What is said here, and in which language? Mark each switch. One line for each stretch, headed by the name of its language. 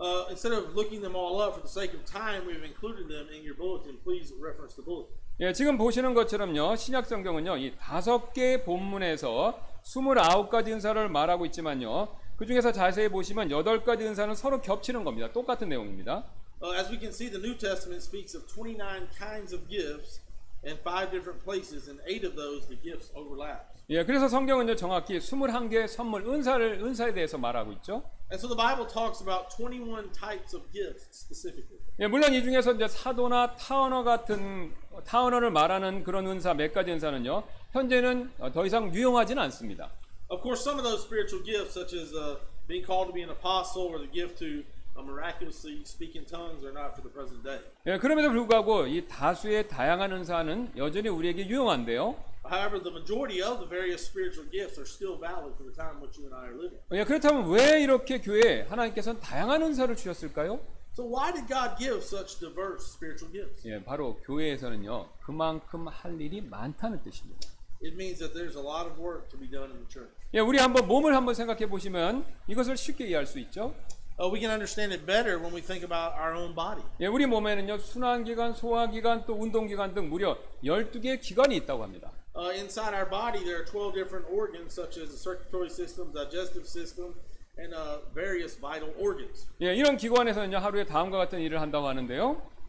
English: Instead of looking them all up for the sake of time, we've included them in your bulletin. Please reference the bulletin.
Korean: 예, 지금 보시는 것처럼요. 신약 성경은요, 이 다섯 개 본문에서 29가지 은사를 말하고 있지만요, 그 중에서 자세히 보시면 8가지 은사는 서로 겹치는 겁니다. 똑같은 내용입니다.
English: As we can see, the New Testament speaks of 29 kinds of gifts in 5 different places, and 8 of those the gifts overlap.
Korean: 예, 그래서 성경은요 정확히 21개의 선물 은사에 대해서 말하고 있죠.
English: And so the Bible talks about 21 types of gifts specifically.
Korean: 예, 물론 이 중에서 이제 사도나 타언어 같은 타언어를 말하는 그런 은사 몇 가지 은사는요 현재는 더 이상 유용하지는 않습니다.
English: Of course, some of those spiritual gifts, such as being called to be an apostle or the gift to miraculously speak in tongues are not for the present day.
Korean: 예, 그럼에도 불구하고 이 다수의 다양한 은사는 여전히 우리에게 유용한데요.
English: However, the majority of the various spiritual gifts are still valid for the time which you and I are living.
Korean: 예, 그렇다면 왜 이렇게 교회에 하나님께서는 다양한 은사를 주셨을까요?
English: So why did God give such diverse spiritual gifts?
Korean: 예, 바로 교회에서는요 그만큼 할 일이 많다는 뜻입니다.
English: It means that there's a lot of work to be done in the church.
Korean: 예, 우리 한번 몸을 한번 생각해 보시면 이것을 쉽게 이해할 수 있죠.
English: We can understand it better when we think about our own body.
Korean: 예, 우리 몸에는요 순환 기관, 소화 기관, 또 운동 기관 등 무려 12개의 기관이 있다고 합니다.
English: Inside our body, there are 12 different organs, such as the circulatory system, digestive system, and various vital organs.
Korean: 예, 이런 기관에서는요 하루에 다음과 같은 일을 한다고 하는데요.